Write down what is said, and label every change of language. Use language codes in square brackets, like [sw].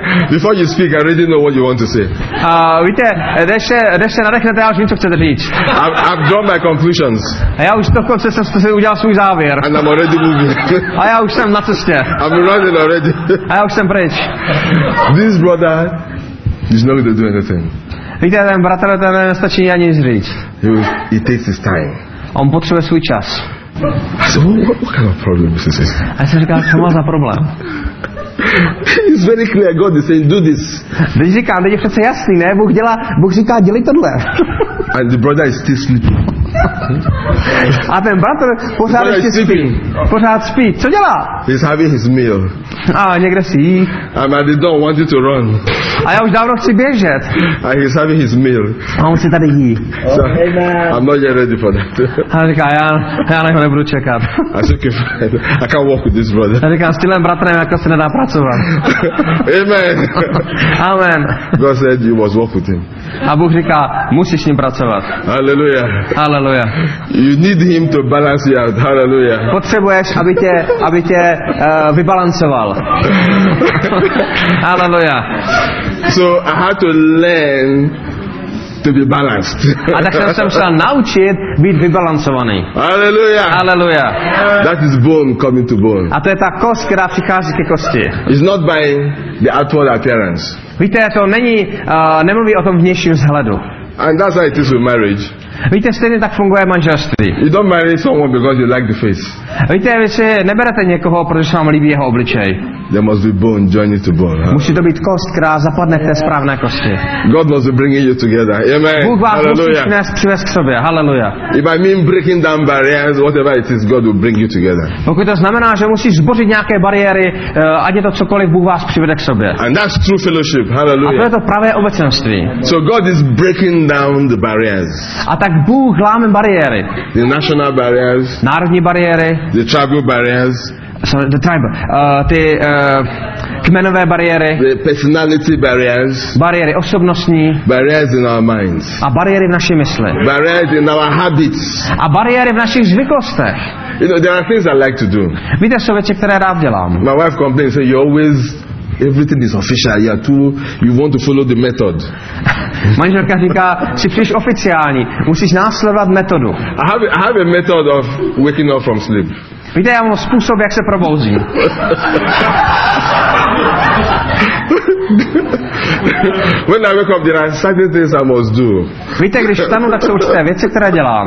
[en] Before you speak, I already know what you want to say. [cs] Víte, než se nadechnete, já už vím, co chcete říct. [en] I've drawn my conclusions. [cs] A já už dokonce jsem si udělal svůj závěr. [en] And I'm already moving. [cs] A já už jsem na cestě. [en] I'm running already. [cs] A já už jsem pryč. [en] This brother is not going to do anything. [cs] Víte, ten bratr, ten nestačí ani nic říct. [en] He takes his time. [cs] On potřebuje svůj čas. [en] I said, what kind of problem is this? [cs] A já jsem říkal, co má za problém? [en] It's very clear, God is saying, do this. [cs] Teď říkám, teď je přece jasný, ne? Bůh říká, dělej tohle. [en] And the brother is still sleeping. [cs] A ten bratr pořád ještě spí. Pořád spí. Co dělá? [en] He's having his meal. [cs] A někde si jí. [en] I'm at the door, want you to run. [cs] A já už dávno chci běžet. [en] And he's having his meal. [cs] A on si tady jí. [en] So, okay, I'm not yet ready for that. [cs] A říká, já na něho nebudu čekat. [en] I said, okay, fine. I can't walk with this brother. [cs] A říkám, s tímhle bratrem jako se nedá pracovat. [en] Amen. Amen. God said you must walk with him. [cs] A Bůh říká, musíš s ním pracovat. [en] Hallelujah. Hallelujah. You need him to balance you out. Hallelujah. [cs] Potřebuješ, aby tě vybalancoval. [en] Hallelujah. So I had to learn to be balanced. [cs] A tak jsem se musel naučit být vybalancovaný. [en] Hallelujah. Hallelujah. That is bone coming to bone. [cs] A to je ta kost, která přichází ke kosti. [en] It's not by the outward appearance. [cs] Víte, to není, nemluví o tom vnějším vzhledu. [en] And that's how it is with marriage. [cs] Víte, stejně tak funguje manželství. [en] You don't marry someone because you like the face. [cs] Víte, vy si neberete někoho, protože se vám líbí jeho obličej. [en] There must be bone joining to bone. Huh? [cs] Musí to být kost, která zapadne v té správné kosti. [en] God must be bringing you together. Amen. [cs] Bůh vás musí dnes přivést k sobě. [en] Hallelujah. If I mean breaking down barriers, whatever it is, God will bring you together. [cs] Pokud to znamená, že musíš zbořit nějaké bariéry, ať je to cokoliv, Bůh vás přivede k sobě. [en] And that's true fellowship. Hallelujah. [cs] A to je to pravé obecenství. [en] So God is breaking down the barriers. [cs] A tak Bůh láme bariéry. [en] The national barriers. [cs] Národní bariéry. [en] The tribal barriers. So the tribe, [cs] ty kmenové bariéry, [en] the personality barriers, [cs] bariéry osobnostní, [en] barriers in our minds, [cs] a bariéry v naší mysli, [en] barriers in our habits, [cs] a bariéry v našich zvyklostech. [en] You know, there are things I like to do. [cs] Víte, jsou věci, které rád dělám. [en] My wife complains, say, you always, everything is official, you are too, you want to follow the method. [cs] Manželka říká, jsi příliš oficiální, musíš následovat metodu. [en] I have a method of waking up from sleep. [cs] Víte, já mám způsob, jak se probouzím. [en] When I wake up, there are certain things I must do. [cs] Víte, když vstanu, tak jsou určité věci, které dělám.